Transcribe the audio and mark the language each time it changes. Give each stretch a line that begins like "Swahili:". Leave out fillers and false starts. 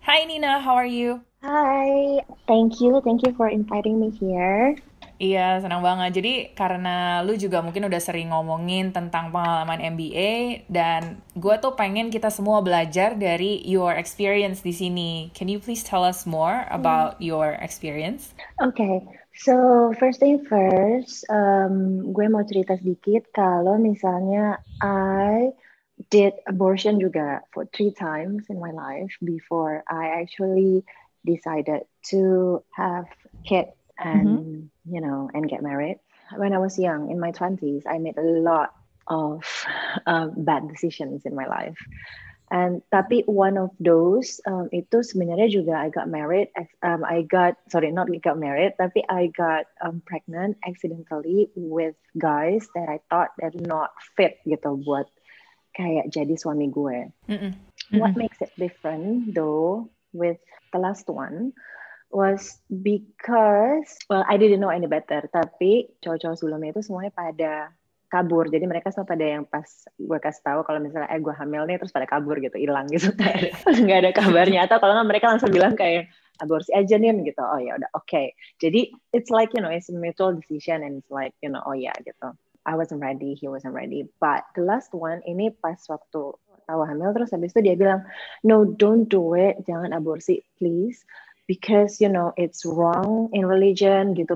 English: Hi Nina, how are you? Hi, thank you for inviting me here.
Indonesian: Iya, senang banget. Jadi karena lu juga mungkin udah sering ngomongin tentang pengalaman MBA, dan gua tuh pengen kita semua belajar dari
English: your experience
Indonesian: di sini.
English: Can you please tell us more about your experience? Okay, so first thing first,
Indonesian: gue mau cerita sedikit. Kalau misalnya
English: I did abortion juga for 3 times in my life before I actually decided to have kids and you know, and get married. When I was young, in my 20s, I made a lot of bad decisions in my life. And tapi one of those,
Indonesian: itu sebenarnya juga
English: I got married. I got pregnant accidentally with guys that I thought they're not fit
Indonesian: gitu buat kayak jadi suami gue.
English: What makes it different though with the last one was because, well, I didn't know any better,
Indonesian: tapi cowok-cowok sebelumnya itu semuanya pada kabur. Jadi mereka semua pada yang pas gue kasih tahu kalau misalnya gue hamil nih, terus pada kabur gitu, hilang gitu, nggak ada kabarnya. Atau kalau nggak, mereka langsung bilang kayak aborsi aja nih gitu. Oh ya udah, oke.
English: Jadi it's like, you know, it's a mutual decision, and it's like, you know,
Indonesian: oh ya gitu,
English: I wasn't ready, he wasn't ready. But the last one
Indonesian: ini pas waktu tahu hamil, terus habis itu dia bilang,
English: no, don't do it,
Indonesian: jangan aborsi,
English: please, because, you know, it's wrong in religion, gitu.